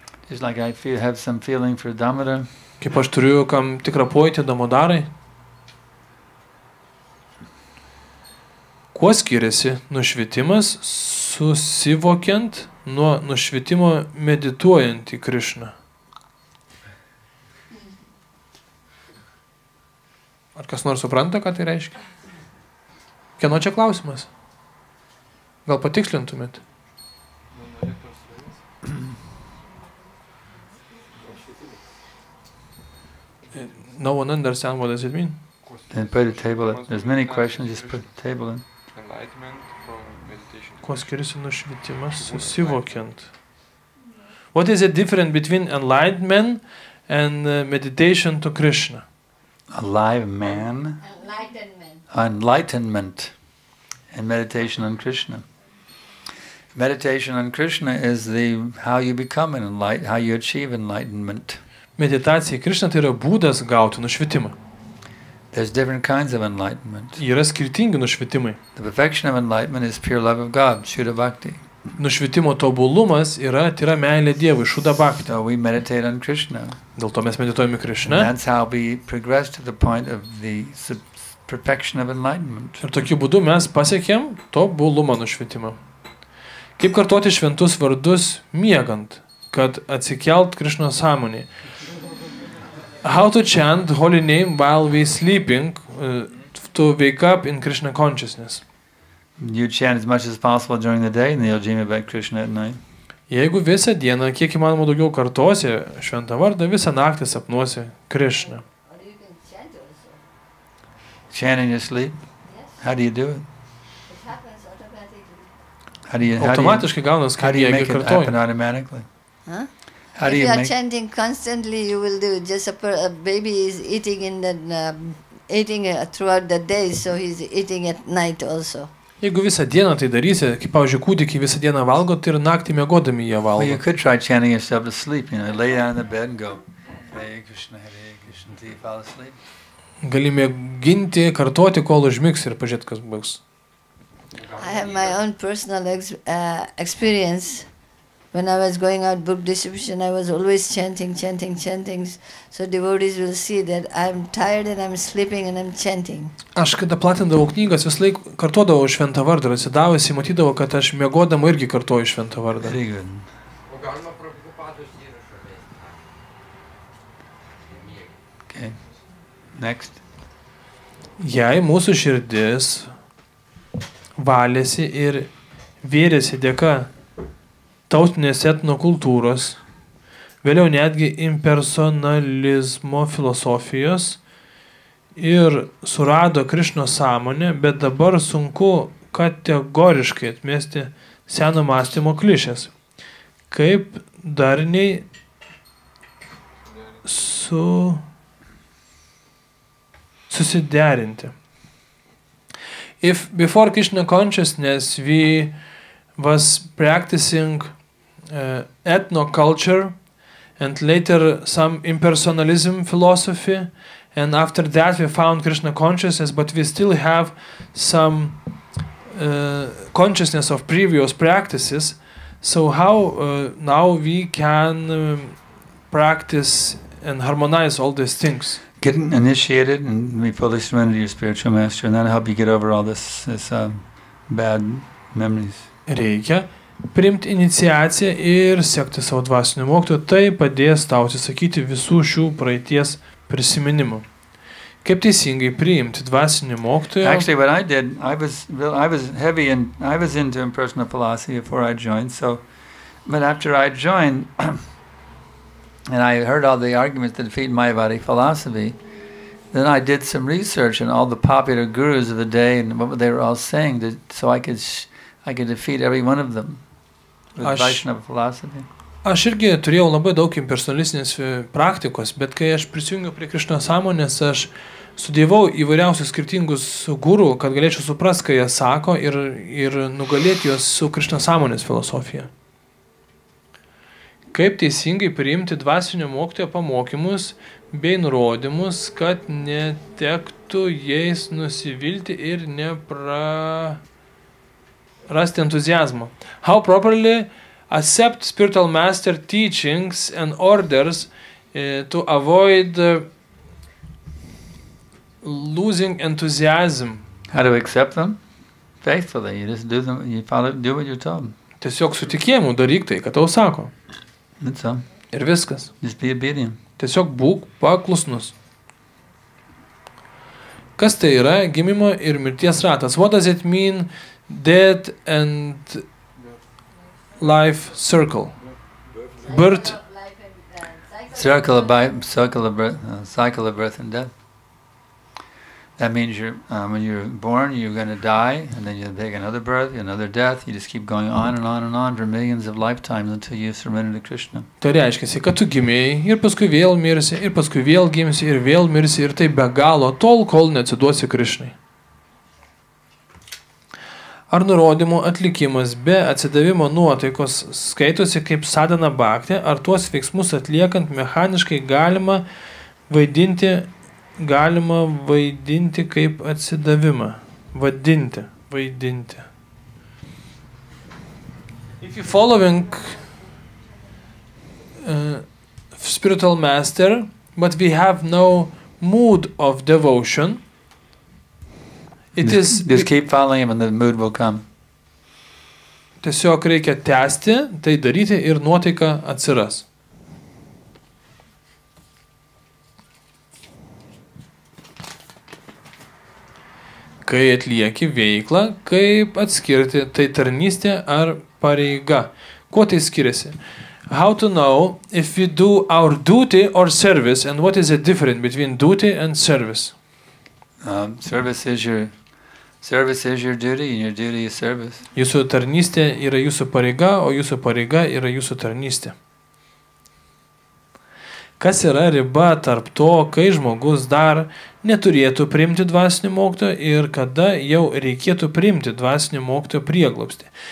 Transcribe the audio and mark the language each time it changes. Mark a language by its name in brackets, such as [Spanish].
[English] It's like I feel have some feeling for Damodar. [Lithuanian] Kaip aš turiu kam tikrą pojūtį Damodarai. Kuo skiriasi nušvitimas susivokiant nuo nušvitimo medituojant į Krišną? Ar kas nors supranta, ką tai reiškia? Kieno čia klausimas? Gal patikslintumėt? [English] No one understands what does it mean. Then put a table in. There's many questions, just put a table in. Enlightenment from meditation. [Lithuanian] Kuo skiriasi nušvitimas susivokiant? [English] What is the difference between enlightenment and meditation to Krishna? Alive man. Enlightenment. Enlightenment and meditation on Krishna. Meditation on Krishna is the how you become an enlightened, how you achieve enlightenment. [Lithuanian] Meditacija Krishna tai yra būdas gauti nušvitimą. [English] There's different kinds of enlightenment. [Lithuanian] Yra skirtingi nušvitimai. [English] The perfection of enlightenment is pure love of God, Shuddha Bhakti. [Lithuanian] Nušvitimo tobulumas yra tyra meilė Dievui, Shuddha Bhakti. [English] So we meditate on Krishna. [Lithuanian] Dėl to mes medituojame Krishna. [English] And that's how we progress to the point of the perfection of enlightenment. [Lithuanian] Ir tokiu būdu mes pasiekėm tobulumą nušvitimą. Kaip kartuoti šventus vardus miegant, kad atsikelt Krishna sąmonį. [English] How to chant holy name while we sleeping to wake up in Krishna consciousness. You chant as much as possible during the day and you'll dream about Krishna at night. [Lithuanian] Jeigu visą dieną, kiek įmanoma daugiau kartosi šventą vardą, visą naktį sapnuosi Krishna. [English] Chant in your sleep? Yes. How do you do it? It happens automatically. [Lithuanian] Automatiškai gaunas, kaip jie kartoji. [English] How do you make it? Huh? How do you are chanting constantly, you will do it. Just a baby is eating in the eating throughout the day, so he's eating at night also. [Lithuanian] Jeigu visą dieną tai darysi, kaip pavyzdžiui kūdikį visą dieną valgo, tai ir naktį miegodami jie valgo. [English] Well, you could try chanting yourself to sleep, you know, lay down in the bed and go, Hare Krishna, Hare Krishna, till you fall asleep. [Lithuanian] Gali mėginti, kartuoti, kol užmigs ir pažiūrėt, kas bus. [English] I have my own personal experience. When I was going out book distribution, I was always chanting. So devotees will see that I'm tired and I'm sleeping and I'm chanting. [Lithuanian] Aš kada platindavau knygas, vis laik kartuodavau šventą vardą ir atsidavęs, matydavau, kad aš miegodama irgi kartuoju šventą vardą. [English] Very good. [Lithuanian] O galima Prabhupados įrašą veikti? [English] Okay. Next. [Lithuanian] Jei mūsų širdis valėsi ir vėrėsi dėka tautinės etnokultūros, vėliau netgi impersonalizmo filosofijos ir surado Krišnos sąmonę, bet dabar sunku kategoriškai atmesti seno mąstymo klišės. Kaip darniai susiderinti. [English] If before Krishna consciousness we was practicing ethnoculture and later some impersonalism philosophy and after that we found Krishna consciousness, but we still have some consciousness of previous practices, so how now we can practice and harmonize all these things? Getting initiated and we fully surrender to your spiritual master, and that'll help you get over all this bad memories. [Lithuanian] Reikia priimti iniciaciją ir sekti savo dvasinių mokytojų, tai padės tau atsisakyti visų šių praeities prisiminimų. Kaip teisingai priimti dvasinių mokytojų? [English] Actually, what I did, I was heavy and I was into impersonal philosophy before I joined, so, but after I joined, and I heard all the arguments that defeat Mayavadi philosophy, then I did some research on all the popular gurus of the day and what they were all saying, so I could defeat every one of them with Vaishnava philosophy. [Lithuanian] Aš irgi turėjau labai daug impersonalistinės praktikos, bet kai aš prisijungiau prie Krišnos sąmonės, aš studijavau įvairiausius skirtingus guru, kad galėčiau suprast, ką jie sako, ir nugalėti juos su Krišnos sąmonės filosofija. Kaip teisingai priimti dvasinio mokytojo pamokymus bei nurodymus, kad netektų jais nusivilti ir neprarasti entuziazmo. [English] How properly accept spiritual master teachings and orders to avoid losing enthusiasm? How to accept them? Faithfully, you just do them, you follow, do what you're told. [Lithuanian] Tiesiog su tikėjimu daryk tai, ką tau sako. [English] That's all. [Lithuanian] Ir viskas. [English] Just be obedient. [Lithuanian] Tiesiog būk paklusnus. Kas tai yra gimimo ir mirties ratas? [English] What does it mean, death and life circle? Birth? Cycle of birth and death. That means when you're born, you're going to die, and then you take another birth, another death. You just keep going on and on and on for millions of lifetimes until you surrender to Krishna. [Lithuanian] Tai reiškia, kad tu gimėjai, ir paskui vėl mirsi, ir paskui vėl gimsi, ir vėl mirsi, ir tai be galo, tol, kol neatsiduosi Krishnai. Ar nurodymų atlikimas be atsidavimo nuotaikos skaitosi kaip sadhana bhakti, ar tuos veiksmus atliekant mechaniškai galima vaidinti kaip atsidavimą. Vaidinti. [English] If you're following spiritual master, but we have no mood of devotion, Just keep following him and the mood will come. [Lithuanian] Tiesiog reikia tęsti, tai daryti ir nuotaika atsiras. Kai atlieki veiklą, kaip atskirti, tai tarnystė ar pareiga. Kuo tai skiriasi? [English] How to know if we do our duty or service, and what is the difference between duty and service? Service is your duty, and your duty is service. [Lithuanian] Jūsų tarnystė yra jūsų pareiga, o jūsų pareiga yra jūsų tarnystė. Kas yra riba tarp to, kai žmogus dar neturėtų priimti dvasinį mokytojo ir kada jau reikėtų priimti dvasinį mokytojo prieglobstį?